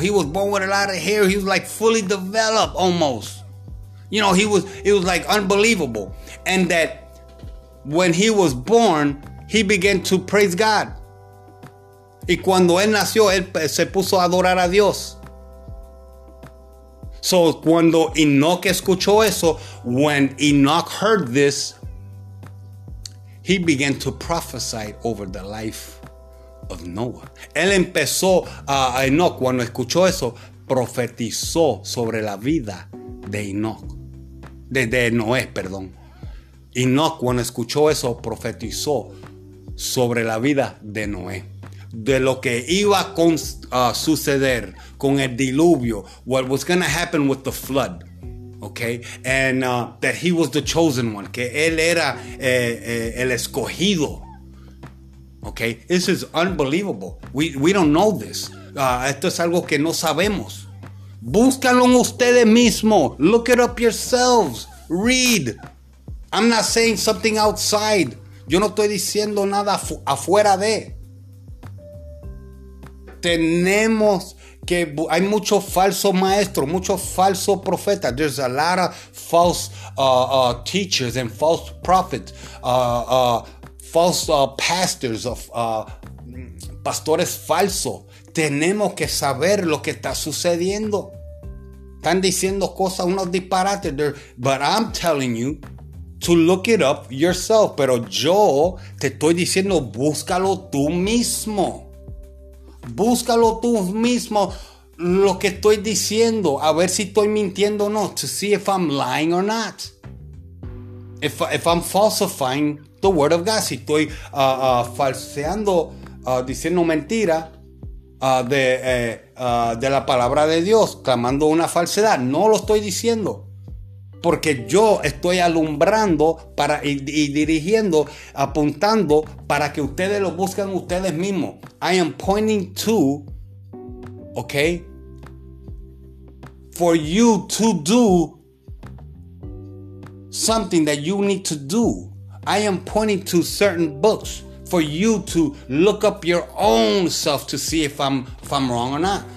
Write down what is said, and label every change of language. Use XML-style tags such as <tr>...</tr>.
<en>He was born with a lot of hair. He was like fully developed almost. You know, he was like unbelievable. And that when he was born, he began to praise God.</en> <es>Y cuando él nació, él se puso a adorar a Dios.</es> <en>So</en> <es>cuando Enoch escuchó eso,</es> <en>when Enoch heard this, he began to prophesy over the life of Noah.</en> <es>Él empezó a Enoch, cuando escuchó eso, profetizó sobre la vida de Enoch. De Noé, perdón. Enoch, cuando escuchó eso, profetizó sobre la vida de Noé. De lo que iba a suceder con el diluvio.</es> <en>What was going to happen with the flood. Okay. And that he was the chosen one.</en> <es>Que él era el escogido.</es> <en>Okay. This is unbelievable. We don't know this.</en> <es>Esto es algo que no sabemos. Búscalo ustedes mismos.</es> <en>Look it up yourselves. Read. I'm not saying something outside.</en> <es>Yo no estoy diciendo nada afuera de. Tenemos que... Hay muchos falsos maestros, muchos falsos profetas.</es> <en>There's a lot of false teachers and false prophets. False pastors, of</en> <es>pastores falsos. Tenemos que saber lo que está sucediendo. Están diciendo cosas, unos disparates.</es> <en>But I'm telling you to look it up yourself.</en> <es>Pero yo te estoy diciendo, búscalo tú mismo. Búscalo tú mismo lo que estoy diciendo. A ver si estoy mintiendo o no.</es> <en>To see if I'm lying or not. If I'm falsifying the word of God.</en> <es>Si estoy falseando, diciendo mentira de la palabra de Dios. Clamando una falsedad. No lo estoy diciendo. Porque yo estoy alumbrando para y dirigiendo, apuntando para que ustedes lo busquen ustedes mismos.</es> <en>I am pointing to, okay, for you to do something that you need to do. I am pointing to certain books for you to look up your own self to see if I'm wrong or not.</en>